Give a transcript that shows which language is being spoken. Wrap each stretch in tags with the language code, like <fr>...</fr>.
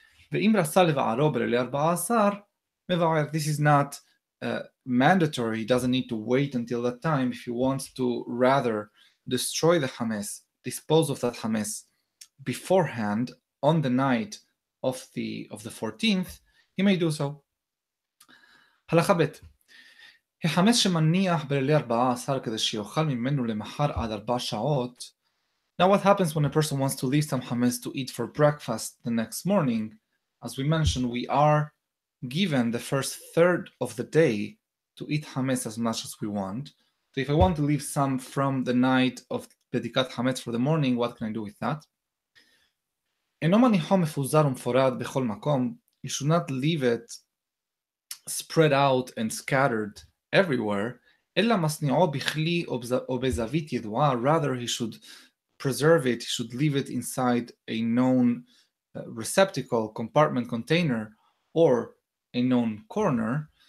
<he>Ve'im rasa leva'aro b'leil arba'asar, meva'ar,</he> <en>this is not mandatory, he doesn't need to wait until that time. If he wants to rather destroy the chametz, dispose of that chametz beforehand, on the night of the 14th, he may do so.</en> <he>הלכה ב' החמץ שמניח בלילי 14 כדי שיוכל ממנו למחר עד 4 שעות.</he> <en>Now what happens when a person wants to leave some חמץ to eat for breakfast the next morning? As we mentioned, we are given the first third of the day to eat חמץ as much as we want. So if I want to leave some from the night of בדיקת חמץ for the morning, what can I do with that?</en> <he>אינו מניחו מפוזר ומפורד בכל מקום.</he> <en>You should not leave it spread out and scattered everywhere.</en> <he>Ella masni'o bichli o bezavit yidua,</he> <en>rather he should preserve it, he should leave it inside a known receptacle, compartment, container, or a known corner.</en>